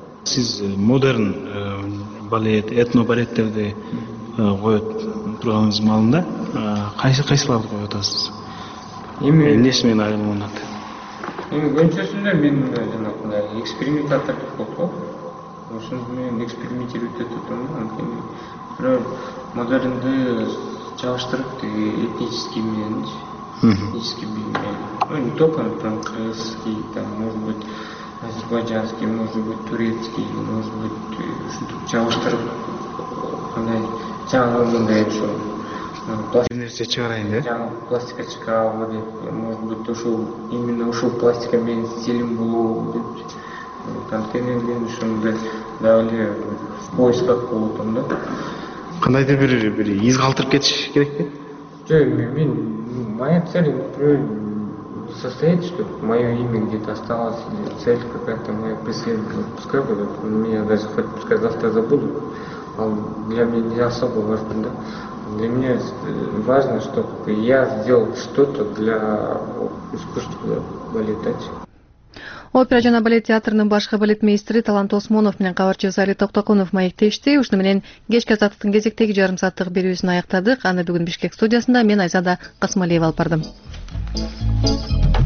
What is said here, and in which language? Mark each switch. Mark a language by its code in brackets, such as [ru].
[ky] Сиз модерн балет, этно балеттерди коет турганыңыз маалында кайсыларды коет атасыз? Эмнеси менен айырмаланат? Эми көбүнчөсүндө мен жанагындай экспериментатор деп коет го. Ошондо мен экспериментировать этип атам да. Анткени модернди чагыштырып этнический мененчи. [ru] Этнический менен. Не только кыргызский, может быть азербайджанский, может быть турецкий, может быть [ky] ушинтип чагыштырып кандай жаңы мындай айтышо пластик нерсе чыгарайын деп жаңы пластика чыгабы деп [ru] может быть [ky] ушул именно ушул пластика менин стилим болобу деп анткени мен ошондой да эле поиск кылып коюп атам да. Кандайдыр бир из калтырып кетиш керекпи? Жок, мен [ru] моя цель например состоит, чтобы мое имя где-то осталось, или цель какая-то моя преследует, пускай будет, меня даже хоть пускай завтра забудут, а для меня не особо важно, да? Для меня важно, чтобы я сделал что-то для искусства балета. [ky] Опера жана балет театрынын башкы балетмейстери Талант Осмонов менен кабарчыбыз Али Токтокунов маектешти. Ушуну менен кечки азаттыктын кезектеги жарым сааттык берүүсүн аяктадык. Аны бүгүн Бишкек студиясында мен Айзада Касымалиева алып бардым.